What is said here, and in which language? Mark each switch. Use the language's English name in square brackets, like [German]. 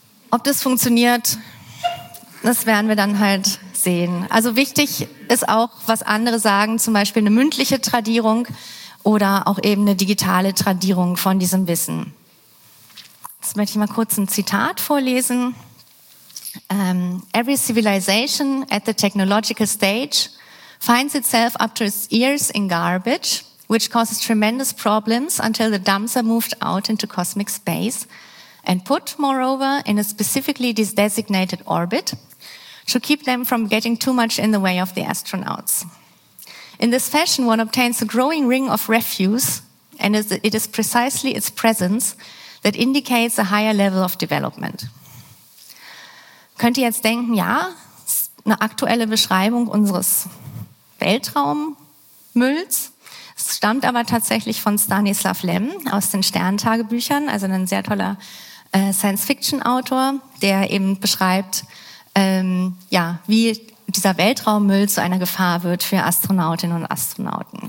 [German] Ob das funktioniert, das werden wir dann halt sehen. Also wichtig ist auch, was andere sagen, zum Beispiel eine mündliche Tradierung oder auch eben eine digitale Tradierung von diesem Wissen. Jetzt möchte ich mal kurz ein Zitat vorlesen. [English] Every civilization at the technological stage finds itself up to its ears in garbage, which causes tremendous problems until the dumps are moved out into cosmic space and put, moreover, in a specifically designated orbit to keep them from getting too much in the way of the astronauts. In this fashion, one obtains a growing ring of refuse, and it is precisely its presence that indicates a higher level of development. [German] Könnt ihr jetzt denken, ja, eine aktuelle Beschreibung unseres Weltraummülls. Es stammt aber tatsächlich von Stanislaw Lem aus den Sterntagebüchern, also ein sehr toller Science-Fiction-Autor, der eben beschreibt, wie dieser Weltraummüll zu einer Gefahr wird für Astronautinnen und Astronauten.